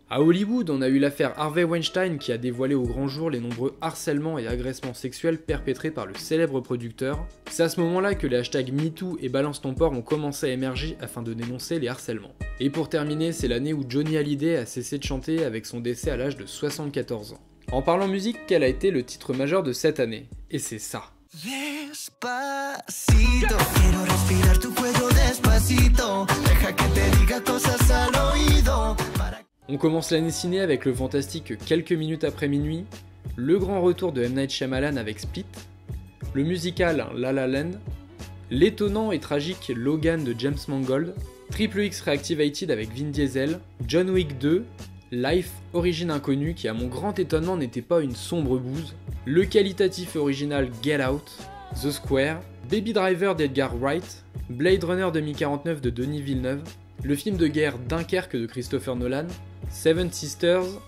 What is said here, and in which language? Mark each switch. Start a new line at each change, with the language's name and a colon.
French: À Hollywood, on a eu l'affaire Harvey Weinstein qui a dévoilé au grand jour les nombreux harcèlements et agressements sexuels perpétrés par le célèbre producteur. C'est à ce moment-là que les hashtags MeToo et Balance ton porc ont commencé à émerger afin de dénoncer les harcèlements. Et pour terminer, c'est l'année où Johnny Hallyday a cessé de chanter avec son décès à l'âge de 74 ans. En parlant musique, quel a été le titre majeur de cette année? Et c'est ça.
Spanish: Despacito, quiero respirar tu cuello despacito, deja que te diga cosas al oído.
French: On commence l'année ciné avec le fantastique Quelques minutes après minuit, le grand retour de M. Night Shyamalan avec Split, le musical La La Land, l'étonnant et tragique Logan de James Mangold, Triple X Reactivated avec Vin Diesel, John Wick 2, Life, origine inconnue qui à mon grand étonnement n'était pas une sombre bouse, le qualitatif original Get Out, The Square, Baby Driver d'Edgar Wright, Blade Runner 2049 de Denis Villeneuve, le film de guerre Dunkerque de Christopher Nolan, Seven Sisters,